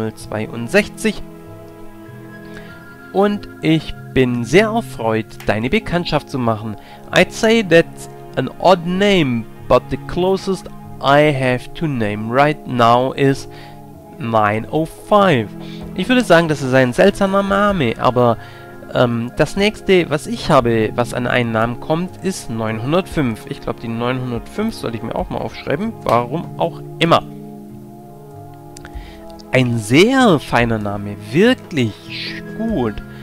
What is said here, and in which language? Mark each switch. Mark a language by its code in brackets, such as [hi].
[de] 59062. Und ich bin sehr erfreut, deine Bekanntschaft zu machen. [en] I'd say that's an odd name, but the closest I have to name right now is 905. [de] Ich würde sagen, das ist ein seltsamer Name, aber das nächste, was ich habe, was an einen Namen kommt, ist 905. Ich glaube, die 905 sollte ich mir auch mal aufschreiben, warum auch immer. Ein sehr feiner Name, wirklich gut.